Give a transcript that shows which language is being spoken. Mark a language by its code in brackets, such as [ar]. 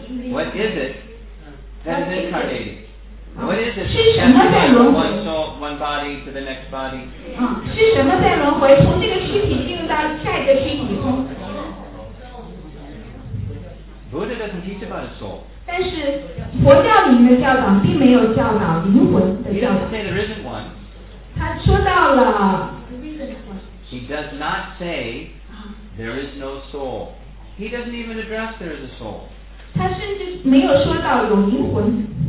[en] What is it that is incarnated? What is it? [zh] 是什么在轮回？ [en] One soul, one body to the next body. [zh] 是什么在轮回？从这个躯体进入到下一个躯体。 [en] Buddha doesn't teach about a soul. [zh] 但是佛教里面的教导并没有教导灵魂的教导。 [en] He doesn't say there isn't one. [zh] 他说到了。 [en] He does not say there is no soul. He doesn't even address there is a soul. [zh] 他甚至没有说到有灵魂。